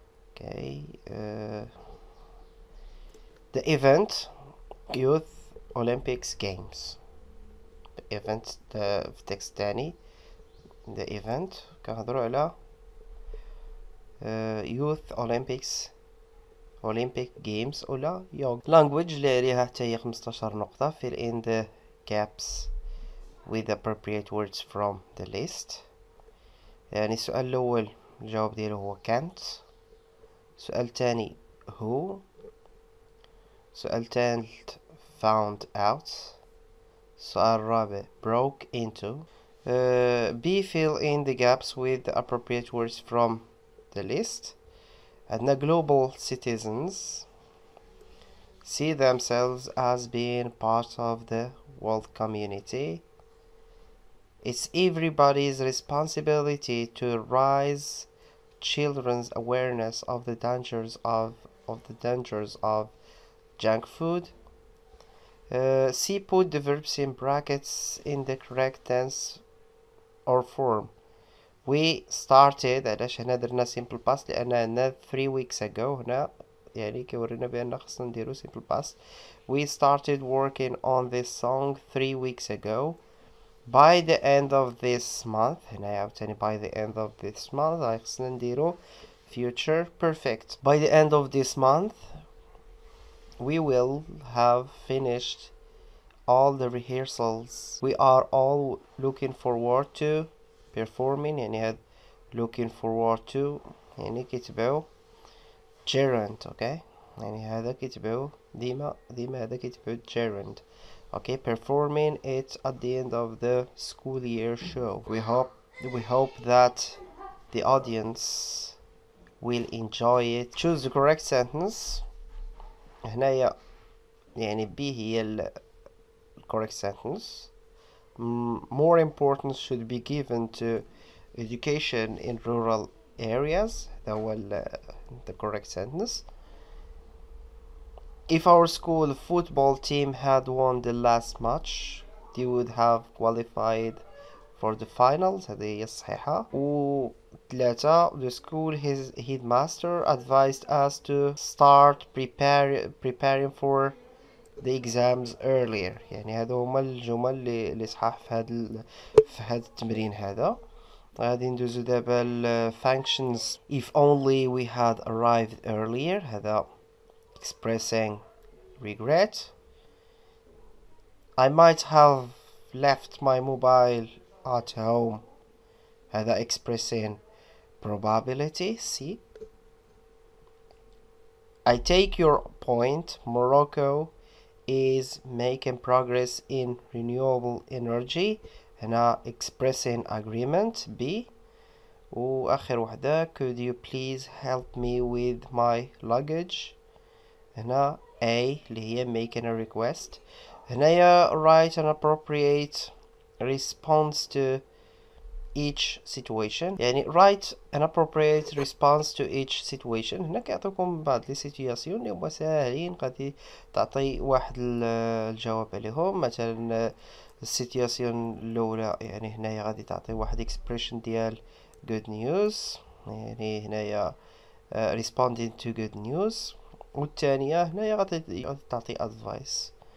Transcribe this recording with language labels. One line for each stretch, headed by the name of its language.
English: okay, the event youth Olympics games. the event the text تاني the event
Arabic: كنهضروا على
English: youth Olympics Olympic games
Arabic: ولا يوغ. language اللي عليها حتى هي 15 نقطة.
English: fill in the gaps with appropriate words from the list.
Arabic: يعني السؤال الأول الجواب ديالو هو can't. سؤال تاني who. سؤال تالت found out. سؤال رابع broke into.
English: B fill in the gaps with appropriate words from the list. عندنا global citizens see themselves as being part of the world community. It's everybody's responsibility to raise children's awareness of the dangers of junk food. See put the verbs in brackets in the correct tense or form. We started
Arabic: علاش هنا درنا simple past لأننا
English: 3 weeks ago
Arabic: هنا يعني كيورينا بأن خصنا نديرو simple past.
English: We started working on this song 3 weeks ago. By the end of this month
Arabic: هنا عاوتاني
English: by the end of this month
Arabic: خصنا نديرو
English: future perfect. By the end of this month we will have finished all the rehearsals. We are all looking forward to performing.
Arabic: يعني هاد
English: looking forward to
Arabic: يعني كتبعو gerund. okay, يعني هذا كتبعو ديما هذا كتبعو gerund.
English: okay, performing it at the end of the school year show. We hope that the audience will enjoy it. Choose the correct sentence.
Arabic: هنايا يعني B هي ال correct sentence.
English: More importance should be given to education in rural areas. That was the correct sentence. If our school football team had won the last match, they would have qualified for the finals.
Arabic: هذه هي الصحيحة.
English: وثلاثة, the school headmaster advised us to start preparing for the exams earlier.
Arabic: يعني هذو هما الجمل اللي صحاح في هذا التمرين هذا. غادي ندوزو دابا ل functions.
English: if only we had arrived earlier هذا expressing regret. I might have left my mobile at home هذا expressing probability. C. I take your point. Morocco is making progress in renewable energy and expressing agreement. B.
Arabic: واخر واحدة,
English: could you please help me with my luggage.
Arabic: هنا A اللي هي
English: making a request.
Arabic: هنا يا
English: write an appropriate response to each situation. يعني write an appropriate response to each situation.
Arabic: هنا كيعطيكم بعض لي سيتوياسيون اللي هما ساهلين غادي تعطي واحد الجواب عليهم. مثلا السيتوياسيون الاولى يعني هنايا غادي تعطي واحد اكسبريشن ديال good news. يعني هنايا
English: responding to good news.
Arabic: والثانية هنايا غادي تعطي advice.